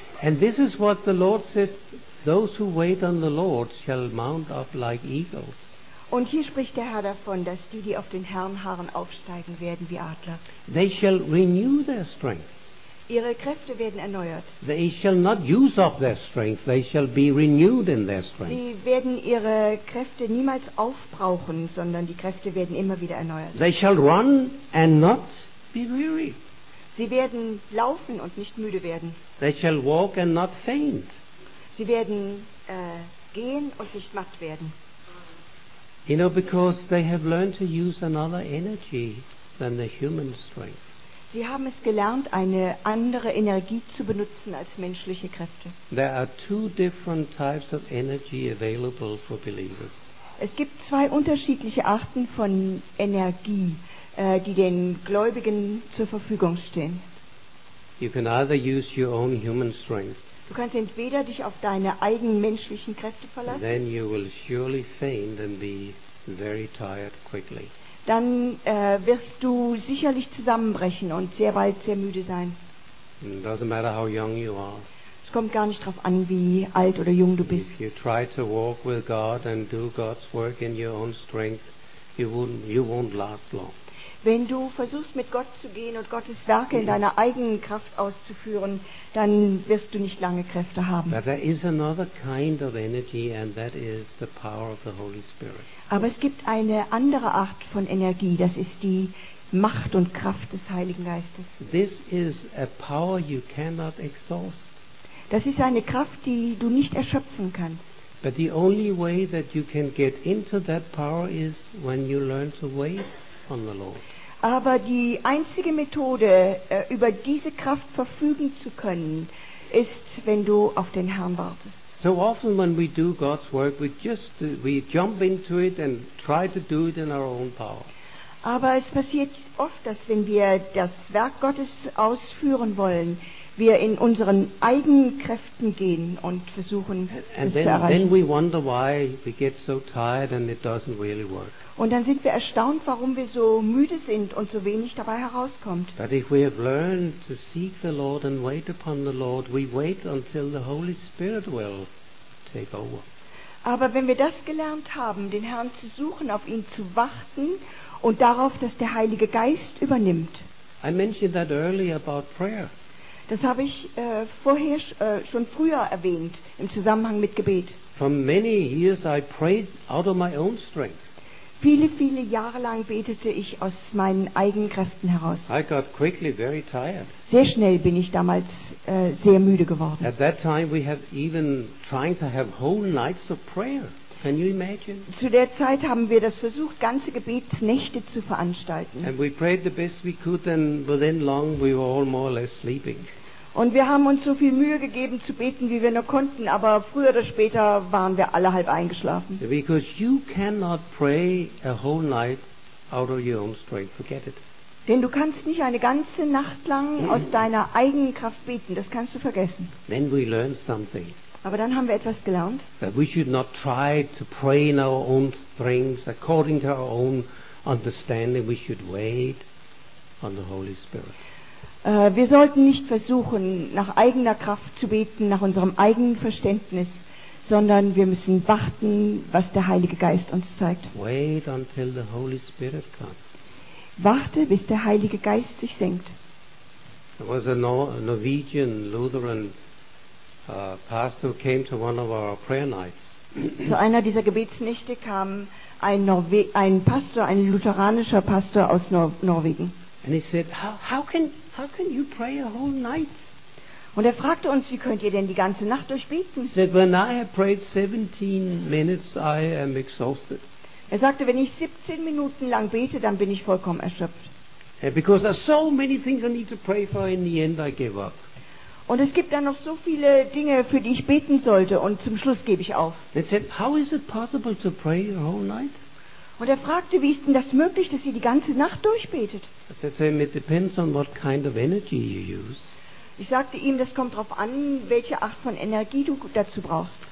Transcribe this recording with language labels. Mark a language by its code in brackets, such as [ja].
[en] And this is what the Lord says, those who wait on the Lord shall mount up like eagles. [de] Und hier spricht der Herr davon, dass die auf den Herrn harren, aufsteigen werden wie Adler. [en] They shall renew their strength. [de] Ihre Kräfte werden erneuert. [en] They shall not use up their strength, they shall be renewed in their strength. [de] Sie werden ihre Kräfte niemals aufbrauchen, sondern die Kräfte werden immer wieder erneuert. [en] They shall run and not be weary. [de] Sie werden laufen und nicht müde werden. [en] They shall walk and not faint. [de] Sie werden gehen und nicht matt werden. [en] You know, because they have learned to use another energy than the human strength. [de] Sie haben es gelernt, eine andere Energie zu benutzen als menschliche Kräfte. [en] There are two different types of energy available for believers. [de] Es gibt zwei unterschiedliche Arten von Energie, die den Gläubigen zur Verfügung stehen. [en] You can either use your own human strength. [de] Du kannst entweder dich auf deine eigenen menschlichen Kräfte verlassen. [en] Then you will surely faint and be very tired quickly. [de] Dann wirst du sicherlich zusammenbrechen und sehr bald sehr müde sein. [en] It doesn't matter how young you are. [de] Es kommt gar nicht darauf an, wie alt oder jung du bist. [en] If you try to walk with God and do God's work in your own strength, you won't last long. [de] Wenn du versuchst, mit Gott zu gehen und Gottes Werke in deiner eigenen Kraft auszuführen, dann wirst du nicht lange Kräfte haben. [en] But there is another kind of energy, and that is the power of the Holy Spirit. [de] Aber es gibt eine andere Art von Energie, das ist die Macht und Kraft des Heiligen Geistes. [en] This is a power you cannot exhaust. [de] Das ist eine Kraft, die du nicht erschöpfen kannst. [en] But the only way that you can get into that power is when you learn to wait on the Lord. [de] Aber die einzige Methode, über diese Kraft verfügen zu können, ist, wenn du auf den Herrn wartest. [en] So often when we do God's work, we jump into it and try to do it in our own power. [de] Aber es passiert oft, dass wenn wir das Werk Gottes ausführen wollen, wir in unseren eigenen Kräften gehen und versuchen, [en] and [de] es [en] then, [de] zu erreichen. [en] Then we wonder why we get so tired and it doesn't really work. [de] Und dann sind wir erstaunt, warum wir so müde sind und so wenig dabei herauskommt. [en] But if we have learned to seek the Lord and wait upon the Lord, we wait until the Holy Spirit will take over. [de] Aber wenn wir das gelernt haben, den Herrn zu suchen, auf ihn zu warten und darauf, dass der Heilige Geist übernimmt. [en] I mentioned that earlier about prayer. [de] Das habe ich schon früher erwähnt im Zusammenhang mit Gebet. [en] For many years I prayed out of my own strength. [de] Viele, viele Jahre lang betete ich aus meinen eigenen Kräften heraus. [en] I got quickly very tired. [de] Sehr schnell bin ich damals sehr müde geworden. [en] At that time we have even trying to have whole nights of prayer. Can you imagine? [de] Zu der Zeit haben wir das versucht, ganze Gebetsnächte zu veranstalten. [en] And we prayed the best we could, and within long we were all more or less sleeping. [de] Und wir haben uns so viel Mühe gegeben zu beten, wie wir nur konnten, aber früher oder später waren wir alle halb eingeschlafen. [en] Because you cannot pray a whole night out of your own strength. Forget it. [de] Denn du kannst nicht eine ganze Nacht lang aus deiner eigenen Kraft beten, das kannst du vergessen. [en] Then we learn something. [de] Aber dann haben wir etwas gelernt. [en] That we should not try to pray in our own strength according to our own understanding. We should wait on the Holy Spirit. [de] Wir sollten nicht versuchen, nach eigener Kraft zu beten, nach unserem eigenen Verständnis, sondern wir müssen warten, was der Heilige Geist uns zeigt. [en] Wait until the Holy Spirit comes. [de] Warte, bis der Heilige Geist sich senkt. [en] There was a Norwegian Lutheran pastor who came to one of our prayer nights. [de] Zu einer dieser Gebetsnächte kam ein lutheranischer Pastor aus Norwegen. [en] And he said, how can you pray a whole night? [de] Und er fragte uns, wie könnt ihr denn die ganze Nacht durchbeten? [en] Said, when I have prayed 17 minutes, I am exhausted. [de] Er sagte, wenn ich 17 Minuten lang bete, dann bin ich vollkommen erschöpft. [en] Yeah, because there are so many things I need to pray for, in the end I give up. [de] Und es gibt dann noch so viele Dinge, für die ich beten sollte, und zum Schluss gebe ich auf. [en] And said, how is it possible to pray the whole night? [de] Und er fragte, wie ist denn das möglich, dass ihr die ganze Nacht durchbetet? [en] It depends on what kind of energy you use. [de] Ich sagte ihm, das kommt darauf an, welche Art von Energie du dazu brauchst.